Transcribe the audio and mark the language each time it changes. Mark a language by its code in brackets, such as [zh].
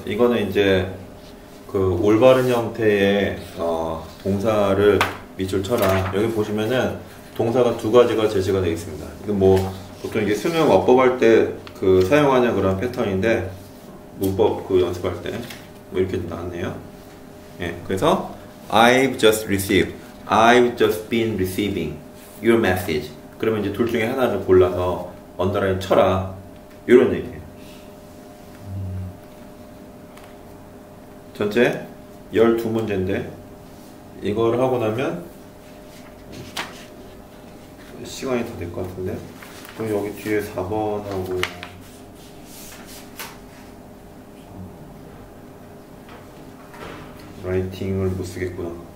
[ko] 이거는 이제 그 올바른 형태의 동사를 밑줄 쳐라. 여기 보시면은 동사가 두 가지가 제시가 되어 있습니다. 이건 뭐 보통 이게 수능 와법할 때 그 사용하는 그런 패턴인데 문법 그 연습할 때 뭐 이렇게 나왔네요. 예, 그래서 [en] I've just received, I've just been receiving your message. [ko] 그러면 이제 둘 중에 하나를 골라서 언더라인 쳐라. 이런 얘기. 전체 12문제인데 이걸 하고 나면 시간이 더 될 것 같은데 그럼 여기 뒤에 4번하고 라이팅을 못 쓰겠구나.